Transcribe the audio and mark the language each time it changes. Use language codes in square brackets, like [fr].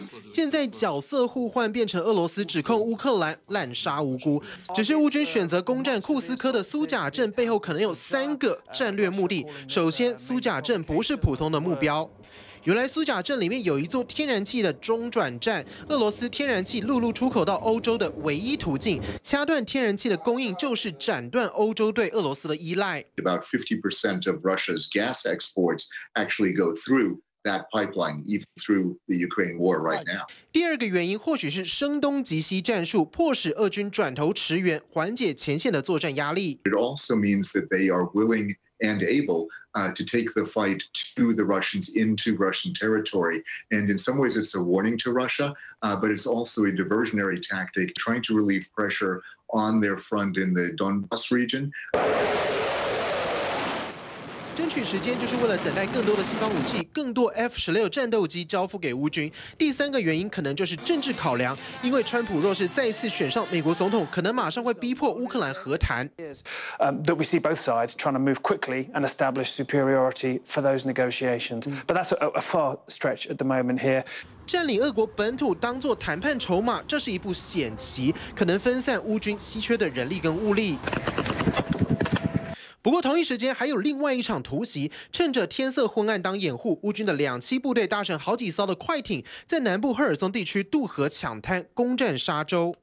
[zh] 现在角色互换变成俄罗斯指控乌克兰滥杀无辜，只是乌军选择攻占库斯科的苏甲镇背后可能有三个战略目的。首先，苏甲镇不是普通的目标。原来苏甲镇里面有一座天然气的中转站，俄罗斯天然气陆路出口到欧洲的唯一途径，掐断天然气的供应就是斩断欧洲对俄罗斯的依赖。 [en] About 50% of Russia's gas exports actually go through that pipeline, even through the Ukraine war right now. [zh] 第二个原因或许是声东击西战术，迫使俄军转头驰援，缓解前线的作战压力。 [en] It also means that they are willing. And able to take the fight to the Russians into Russian territory. And in some ways, it's a warning to Russia, but it's also a diversionary tactic trying to relieve pressure on their front in the Donbas region. [zh] 争取时间就是为了等待更多的西方武器、更多 F-16 战斗机交付给乌军。第三个原因可能就是政治考量，因为川普若是再次选上美国总统，可能马上会逼迫乌克兰和谈。 [en] That we see both sides trying to move quickly and establish superiority for those negotiations, but that's a far stretch at the moment here. [zh] 占领俄国本土当作谈判筹码，这是一步险棋，可能分散乌军稀缺的人力跟物力。不过同一时间还有另外一场突袭，趁着天色昏暗当掩护，乌军的两栖部队搭乘好几艘的快艇在南部赫尔松地区渡河抢滩，攻占沙洲。